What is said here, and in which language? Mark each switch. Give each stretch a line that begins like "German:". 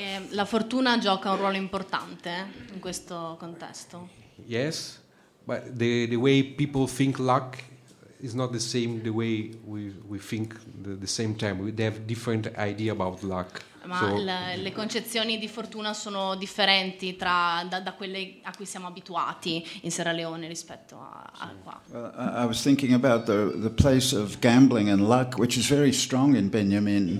Italian: La fortuna gioca un ruolo importante in questo contesto.
English: Yes, but the way people think luck is not the same the way we think the same time. They have different idea about luck.
Italian: Ma le concezioni di fortuna sono differenti da quelle a cui siamo abituati in Sierra Leone rispetto a qua.
English: Well, I was thinking about the place of gambling and luck, which is very strong in Benjamin.